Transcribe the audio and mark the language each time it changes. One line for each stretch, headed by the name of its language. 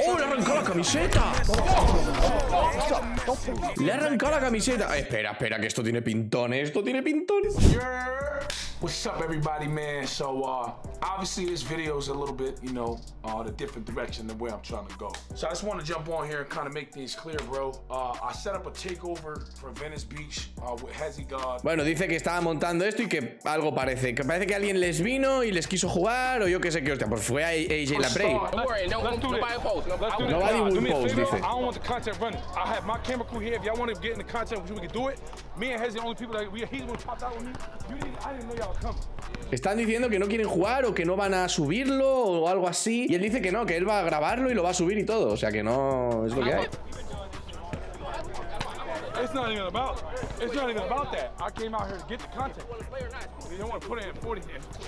Spanish: ¡Oh, le ha arrancado la camiseta! Le ha arrancado la camiseta. Ay, espera, que esto tiene pintón, esto tiene pintón.
English: What's up, everybody, man? So, obviously, this video is a little bit, you know, the different direction than where I'm trying to go. So, I just want to jump on here and kind of make things clear, bro. I set up a takeover for Venice Beach with Hezzy God.
Spanish: Bueno, dice que estaba montando esto y que algo parece. Que parece que alguien les vino y les quiso jugar o yo qué sé qué. Hostia, pues fue a AJ LaPrey.
English: Don't worry, nobody post. Nobody
Spanish: post, dice.
English: I don't want the content running. I have my camera crew here. If y'all want to get in the content, we can do it. Me and Hezzy, the only people that we are, he's the one popped out with me. You didn't, I didn't know y'all come.
Spanish: Están diciendo que no quieren jugar o que no van a subirlo o algo así. Y él dice que no, que él va a grabarlo y lo va a subir y todo. O sea que no es lo que hay.
English: It's not even about, that. I came out here to get the content. You don't want to put it in 40 here.